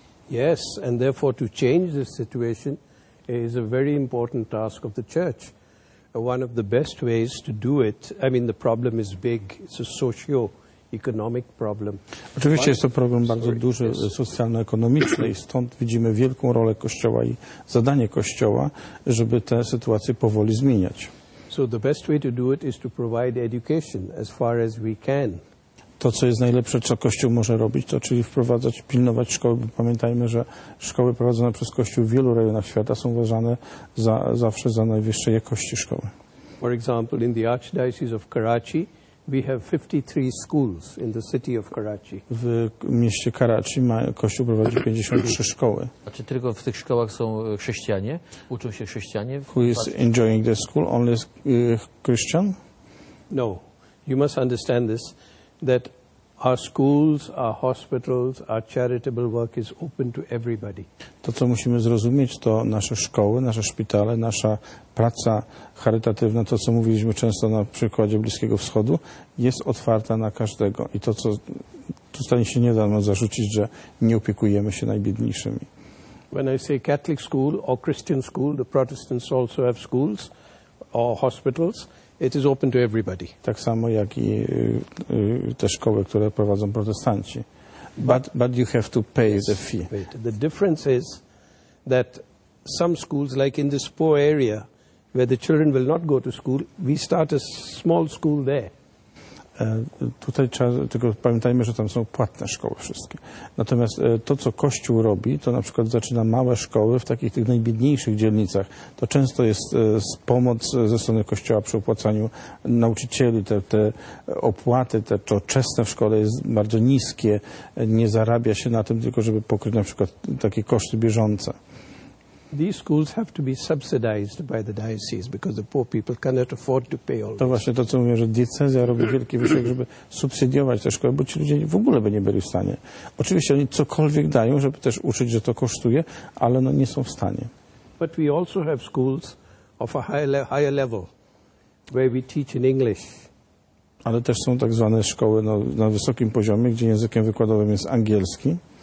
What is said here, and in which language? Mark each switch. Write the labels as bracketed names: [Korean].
[English] Yes, and therefore to change this situation is a very important task of the church. One of the best ways to do it, I mean the problem is big, it's a socio-economic problem. [Polish] Oczywiście jest to problem bardzo duży, socjalno-ekonomiczny i stąd widzimy wielką rolę Kościoła i zadanie Kościoła, żeby tę sytuację powoli zmieniać. [English] So the best way to do it is to provide education as far as we can. [Polish] To, co jest najlepsze, co Kościół może robić, to czyli wprowadzać, pilnować szkoły, bo pamiętajmy, że szkoły prowadzone przez Kościół w wielu rejonach świata są uważane za, zawsze za najwyższej jakości szkoły. [English] For example, in the Archdiocese of Karachi, we have 53 schools in the city of Karachi. [Polish] W mieście Karachi Kościół prowadzi 53 szkoły. A czy tylko w tych szkołach są chrześcijanie? Uczą się chrześcijanie? [English] Who is enjoying the school? Only Christian? No. You must understand this. That our schools, our hospitals, our charitable work is open to everybody. [Polish] To, co musimy zrozumieć, to nasze szkoły, nasze szpitale, nasza praca charytatywna, to, co mówiliśmy często na przykładzie Bliskiego Wschodu, jest otwarta na każdego. I to, co tutaj się nie da nam zarzucić, że nie opiekujemy się najbiedniejszymi. [English] when I say Catholic school or Christian school, the Protestants also have schools or hospitals, it is open to everybody. [Polish] Tak samo jak I te szkoły, które prowadzą protestanci. [English] But you have to pay the fee. Wait. The difference is that some schools, like in this poor area, where the children will not go to school, we start a small school there. [Polish] Tutaj trzeba, tylko pamiętajmy, że tam są płatne szkoły wszystkie. Natomiast to, co Kościół robi, to na przykład zaczyna małe szkoły w takich tych najbiedniejszych dzielnicach. To często jest pomoc ze strony Kościoła przy opłacaniu nauczycieli. Te opłaty, te czesne w szkole jest bardzo niskie. Nie zarabia się na tym, tylko żeby pokryć na przykład takie koszty bieżące. [English] These schools have to be subsidized by the diocese because the poor people cannot afford to pay all. [Polish] To właśnie to, co mówię, że diecezja robi wielki wysiłek, żeby subsydiować te szkoły, bo ci ludzie w ogóle by nie byli w stanie. Oczywiście oni cokolwiek dają, żeby też uczyć, że to kosztuje, ale no nie są w stanie. [English] But we also have schools of a higher level where we teach in English. [Polish] Ale też są tak zwane szkoły na wysokim poziomie, gdzie językiem wykładowym jest angielski.